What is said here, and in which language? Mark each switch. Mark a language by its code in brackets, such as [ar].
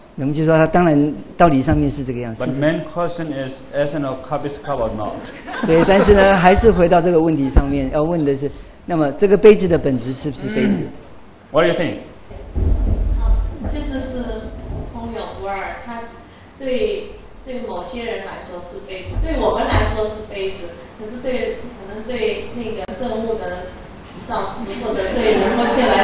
[zh] 我们就说他当然道理上面是这个样子。 [en] But main question is, essence of cup is cup or not? [zh] 对，但是呢，还是回到这个问题上面，要问的是，那么这个杯子的本质是不是杯子？ [en] What do you think? [zh] 就是是空有无二，它对某些人来说是杯子，对我们来说是杯子，可是对可能对那个证悟的人上师或者对人或些来说